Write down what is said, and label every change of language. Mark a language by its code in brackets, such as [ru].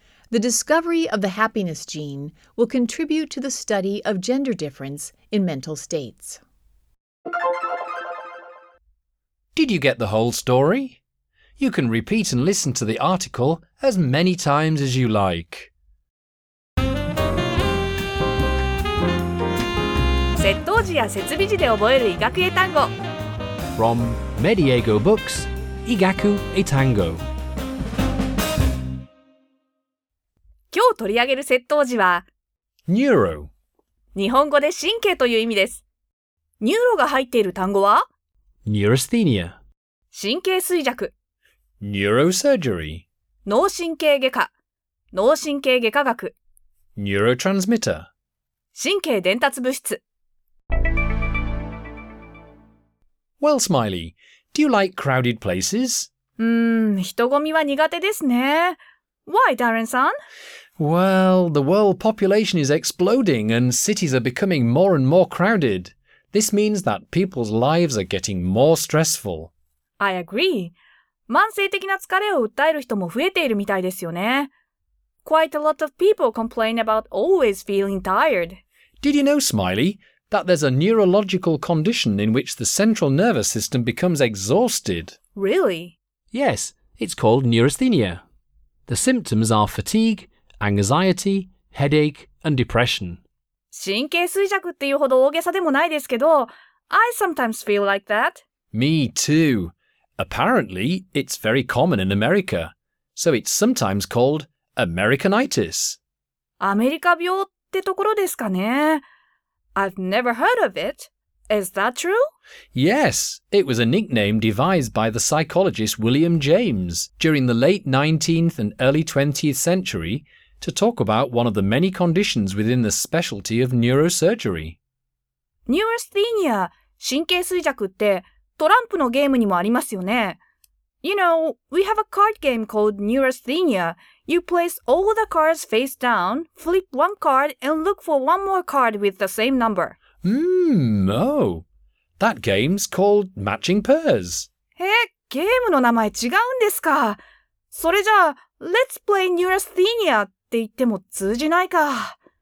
[en] The discovery of the happiness gene will contribute to the study of gender difference in mental states. Did you get the whole story? You can repeat and listen to the article as many times as you like. [ja] 窃盗時や設備時で覚える医学英単語 [en] From Mediego Books [ja] 医学英単語今日取り上げる窃盗時は [en] Neuro [ja] 日本語で神経という意味です。ニューロが入っている単語は [en] Neurasthenia [ja] 神経衰弱 [en] Neurosurgery [ja] 脳神経外科脳神経外科学 [en] Neurotransmitter [ja] 神経伝達物質 [en] Well, Smiley, do you like crowded places? [ja] 人混みは苦手ですね。 [en] Why, Darren-san? Well, the world population is exploding and cities are becoming more and more crowded. This means that people's lives are getting more stressful. I agree. [ja] 慢性的な疲れを訴える人も増えているみたいですよね。 [en] Quite a lot of people complain about always feeling tired. Did you know, Smiley? That there's a neurological condition in which the central nervous system becomes exhausted. Really? Yes, it's called neurasthenia. The symptoms are fatigue, anxiety, headache, and depression. [ja] 神経衰弱っていうほど大げさでもないですけど、 [en] I sometimes feel like that. Me too. Apparently, it's very common in America. So it's sometimes called Americanitis. [ja] アメリカ病ってところですかね。 [en] I've never heard of it. Is that true? Yes, it was a nickname devised by the psychologist William James during the late 19th and early 20th century to talk about one of the many conditions within the specialty of neurosurgery. [ja] Neurasthenia, 神経衰弱ってトランプのゲームにもありますよね。 [en] You know, we have a card game called Neurasthenia. You place all the cards face down, flip one card, and look for one more card with the same number. Oh. That game's called Matching Pairs. [ja] ゲームの名前違うんですか?それじゃあ、 [en] Let's play Neurasthenia [ja] って言っても通じないか。